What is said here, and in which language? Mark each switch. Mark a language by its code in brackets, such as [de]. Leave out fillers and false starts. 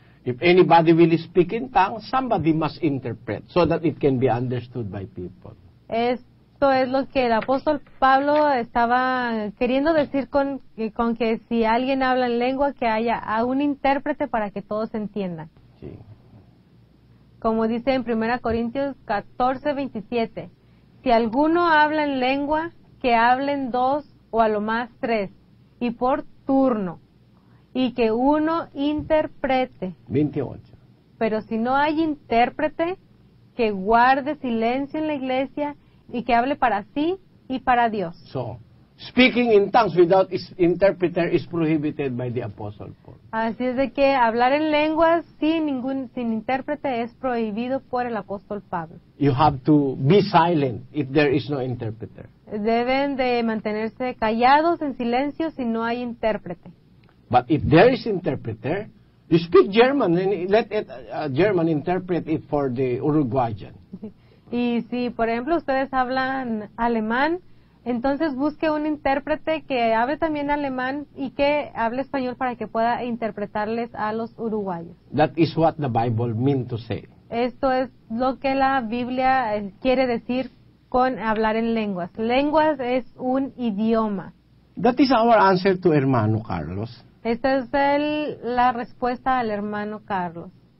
[en] If anybody will speak in tongues, somebody must interpret so that it can be understood by people. [es] Esto es lo que el apóstol Pablo estaba queriendo decir con que si alguien habla en lengua, que haya a un intérprete para que todos entiendan. Sí. Como dice en 1 Corintios 14:27, si alguno habla en lengua, que hablen 2 o a lo más 3. Y por turno, y que uno interprete. 28. pero si no hay intérprete que guarde silencio en la iglesia y que hable para sí y para Dios. [en] So, speaking in tongues without interpreter is prohibited by the Apostle Paul. [es] Así es de que hablar en lenguas sin intérprete es prohibido por el apóstol Pablo. [en] You have to be silent if there is no interpreter. [es] Deben de mantenerse callados en silencio si no hay intérprete. [en] But if there is interpreter, you speak German and let it, German interpret it for the Uruguayan. [es] Y si, por ejemplo, ustedes hablan alemán, entonces busque un intérprete que hable también alemán y que hable español para que pueda interpretarles a los uruguayos. [en] That is what the Bible mean to say. [es] Esto es lo que la Biblia quiere decir con hablar en lenguas. Lenguas es un idioma. [en] That is our answer to [es] hermano [en] Carlos. [es] Esta es la respuesta al hermano Carlos.